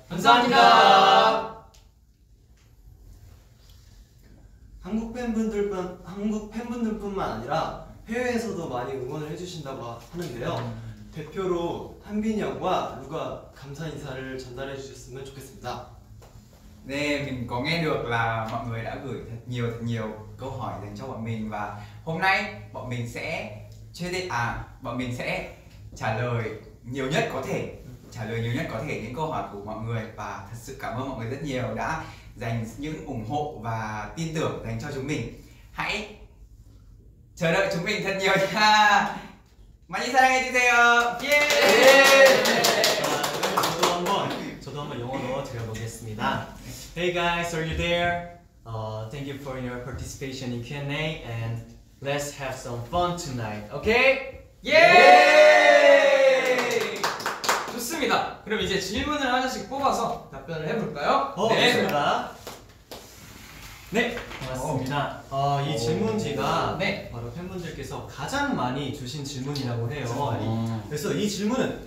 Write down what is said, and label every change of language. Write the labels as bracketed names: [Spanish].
[Korean] 감사합니다. 한국 팬분들뿐만 아니라 해외에서도 많이 응원을 해주신다고 하는데요. 대표로 한빈이 형과 루가 감사 인사를 전달해 주셨으면 좋겠습니다. [Vietnamese] 네, mình có nghe được là mọi người đã gửi thật nhiều câu hỏi đến cho bọn mình và hôm nay bọn mình sẽ trả lời nhiều nhất có thể những câu hỏi của mọi người và thật sự cảm ơn mọi người rất nhiều đã dành những ủng hộ và tin tưởng dành cho chúng mình. Hãy chờ đợi chúng mình thật nhiều nha. [Korean] 많이 사랑해주세요! 예! Yeah. Yeah. 저도 한번 영어로 들어보겠습니다. [English] Hey guys, are you there? Thank you for your participation in Q&A and let's have some fun tonight, okay? 예! Yeah. Yeah. [Korean] 좋습니다! 그럼 이제 질문을 하나씩 뽑아서 답변을 해볼까요? 네! 좋습니다. 네, 반갑습니다. 이 질문 제가 네. 바로 팬분들께서 가장 많이 주신 질문이라고 해요. 그래서 이 질문은